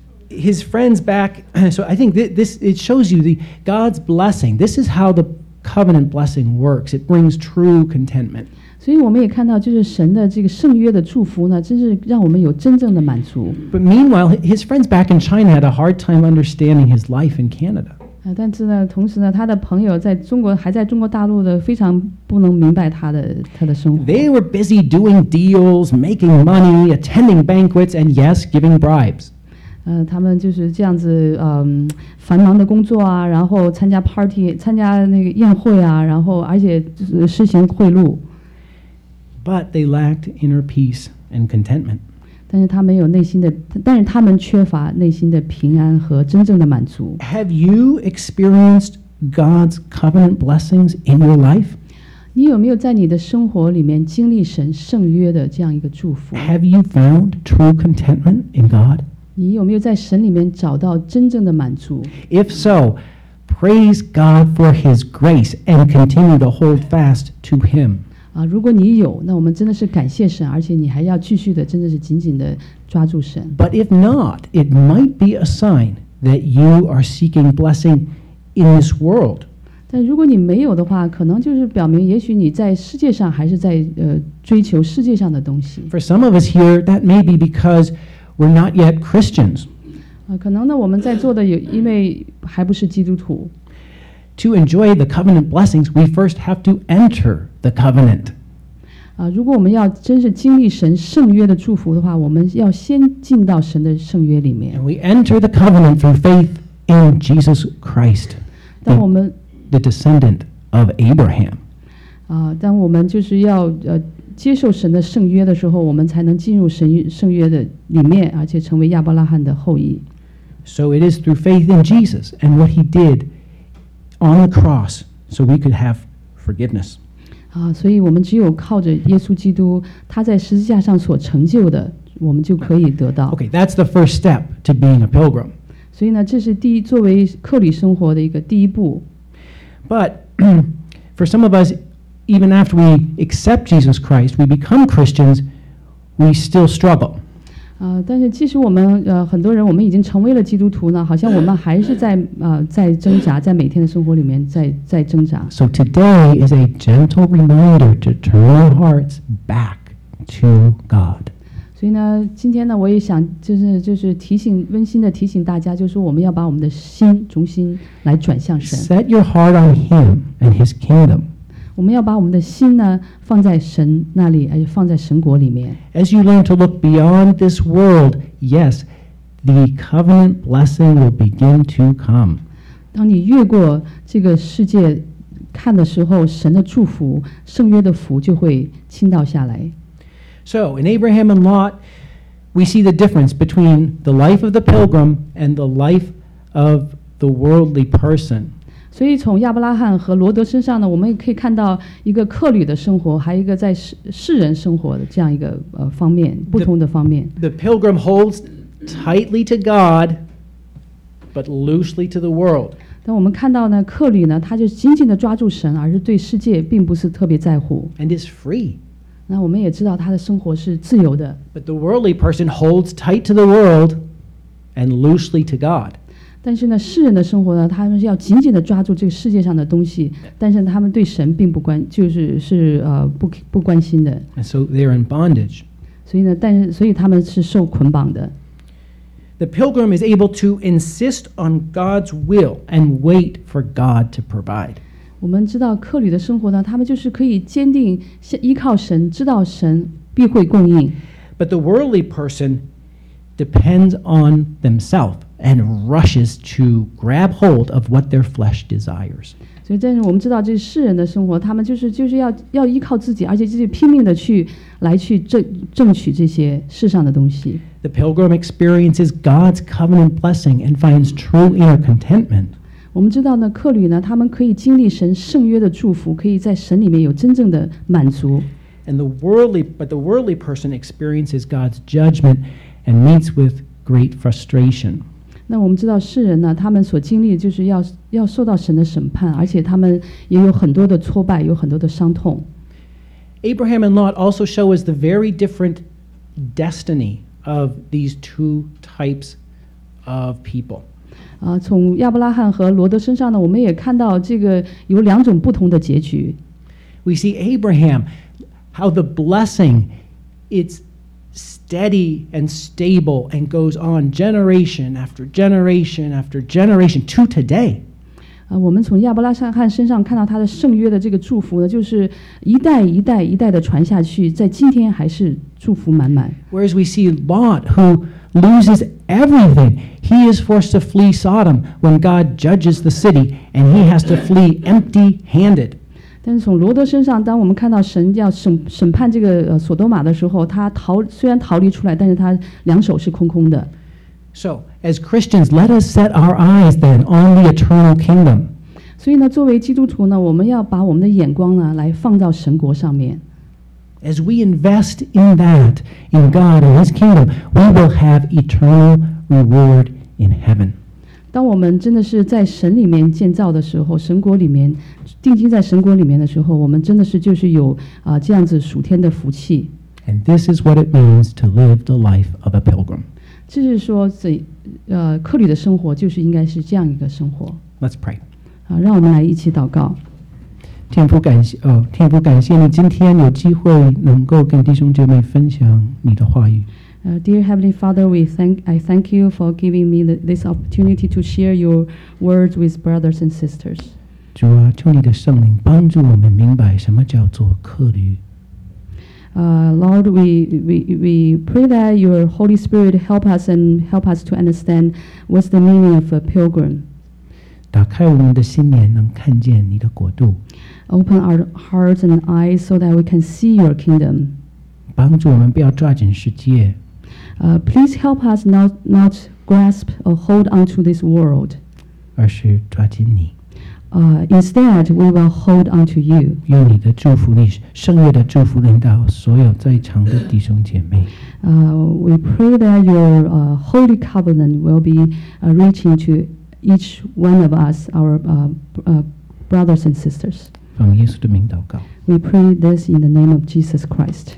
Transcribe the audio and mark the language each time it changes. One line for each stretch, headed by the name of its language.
English: His friends back, so I think this it shows you the God's blessing. This is how the covenant blessing works. It brings true contentment.
Chinese: 所以我们也看到，就是神的这个圣约的祝福呢，真是让我们有真正的满足。
English: But meanwhile, his friends back in China had a hard time understanding his life in Canada.
Chinese: 但是呢，同时呢，他的朋友在中国还在中国大陆的，非常不能明白他的生活。
English: They were busy doing deals, making money, attending banquets, and yes, giving bribes.
Chinese: 他们就是这样子，繁忙的工作啊，然后参加 party, 参加那个宴会啊，然后而且施行贿赂。
English: But they lacked inner peace and contentment.
Chinese: 但是他没有内心的，但是他们缺乏内心的平安和真正的满足。
English: Have you experienced God's covenant blessings in your life?
Chinese: 你有没有在你的生活里面经历神圣约的这样一个祝福？
English: Have you found true contentment in God?
Chinese: 你有没有在神里面找到真正的满足？
English: If so, praise God for His grace and continue to hold fast to Him.
Chinese: 如果你有，那我们真的是感谢神，而且你还要继续的，真的是紧紧的抓住神。
English: But if not, it might be a sign that you are seeking blessing in this world.
Chinese: 但如果你没有的话，可能就是表明，也许你在世界上还是在追求世界上的东西。
English: For some of us here, that may be because we're not yet Christians.
Chinese: 可能呢，我们在座的有因为还不是基督徒。
English: To enjoy the covenant blessings, we first have to enter the covenant.
Chinese: 如果我们要真是经历神圣约的祝福的话，我们要先进到神的圣约里面。
English: And we enter the covenant through faith in Jesus Christ, the descendant of Abraham.
Chinese: 当我们就是要接受神的圣约的时候，我们才能进入神圣约的里面，而且成为亚伯拉罕的后裔。
English: So it is through faith in Jesus and what He did. On the cross, so we could have forgiveness.
Chinese: 所以我们只有靠着耶稣基督，他在十字架上所成就的，我们就可以得到。
English: Okay, that's the first step to being a pilgrim.
Chinese: 所以呢，这是第一，作为客旅生活的一个第一步。
English: But for some of us, even after we accept Jesus Christ, we become Christians, we still struggle.
Chinese: 但是其实我们很多人我们已经成为了基督徒呢，好像我们还是在挣扎，在每天的生活里面在挣扎。
English: So today is a gentle reminder to turn our hearts back to God.
Chinese: 所以呢，今天呢，我也想就是提醒温馨的提醒大家，就是我们要把我们的心重新来转向神。
English: Set your heart on Him and His kingdom.
Chinese: 我们要把我们的心呢放在神那里，而且放在神国里面。
English: As you learn to look beyond this world, yes, the covenant blessing will begin to come.
Chinese: 当你越过这个世界看的时候，神的祝福，圣约的福就会倾倒下来。
English: So in Abraham and Lot, we see the difference between the life of the pilgrim and the life of the worldly person.
Chinese: 所以从亚伯拉罕和罗德身上呢，我们也可以看到一个客旅的生活，还有一个在世人生活的这样一个方面，不同的方面。
English: The pilgrim holds tightly to God, but loosely to the world.
Chinese: 但我们看到呢，客旅呢，他就紧紧地抓住神，而是对世界并不是特别在乎。
English: And is free.
Chinese: 那我们也知道他的生活是自由的。
English: But the worldly person holds tight to the world and loosely to God.
Chinese: 但是呢，世人的生活呢，他们是要紧紧地抓住这个世界上的东西，但是他们对神并不关，就是是不关心的。
English: And so they're in bondage.
Chinese: 所以呢，但是所以他们是受捆绑的。
English: The pilgrim is able to insist on God's will and wait for God to provide.
Chinese: 我们知道客旅的生活呢，他们就是可以坚定依靠神，知道神必会供应。
English: But the worldly person depends on themselves and rushes to grab hold of what their flesh desires.
Chinese: 所以，但是我们知道，这世人的生活，他们就是要依靠自己，而且就是拼命的来去争取这些世上的东西。
English: The pilgrim experiences God's covenant blessing and finds true inner contentment.
Chinese: 我们知道呢，客旅呢，他们可以经历神圣约的祝福，可以在神里面有真正的满足。
English: And the worldly, but the worldly person experiences God's judgment and meets with great frustration.
Chinese: 那我们知道世人呢，他们所经历就是要受到神的审判，而且他们也有很多的挫败，有很多的伤痛。
English: Abraham and Lot also show us the very different destiny of these two types of people.
Chinese: 从亚伯拉罕和罗德身上呢，我们也看到这个有两种不同的结局。
English: We see Abraham, how the blessing is steady and stable and goes on generation after generation after generation to today.
Chinese: 我们从亚伯拉罕身上看到他的圣约的这个祝福呢，就是一代一代一代的传下去，在今天还是祝福满满。
English: Whereas we see Lot, who loses everything. He is forced to flee Sodom when God judges the city, and he has to flee empty-handed.
Chinese: 但是从罗德身上，当我们看到神要审判这个索多玛的时候，他虽然逃离出来，但是他两手是空空的。
English: So, as Christians, let us set our eyes then on the eternal kingdom.
Chinese: 所以呢，作为基督徒呢，我们要把我们的眼光呢，来放到神国上面。
English: As we invest in that, in God and His kingdom, we will have eternal reward in heaven.
Chinese: 当我们真的是在神里面建造的时候，神国里面定睛在神国里面的时候，我们真的是就是有这样子属天的福气。
English: And this is what it means to live the life of a pilgrim.
Chinese: 这是说客旅的生活就是应该是这样一个生活。
English: Let's pray.
Chinese: 让我们来一起祷告。天父感谢你今天有机会能够跟弟兄姐妹分享你的话语。
English: Dear Heavenly Father, I thank you for giving me this opportunity to share your words with brothers and sisters.
Chinese: 主啊，求你的圣灵帮助我们明白什么叫做客旅。
English: Lord, we pray that your Holy Spirit help us to understand what's the meaning of a pilgrim.
Chinese: 打开我们的心眼，能看见你的国度。
English: Open our hearts and eyes so that we can see your kingdom.
Chinese: 帮助我们不要抓紧世界。
English: Please help us not grasp or hold on to this world.
Chinese: 而是抓紧你。
English: Instead, we will hold on to you.
Chinese: 用你的祝福，你圣约的祝福领导所有在场的弟兄姐妹。
English: We pray that your holy covenant will be reaching to each one of us, our brothers and sisters.
Chinese: 奉耶稣的名祷告。
English: We pray this in the name of Jesus Christ.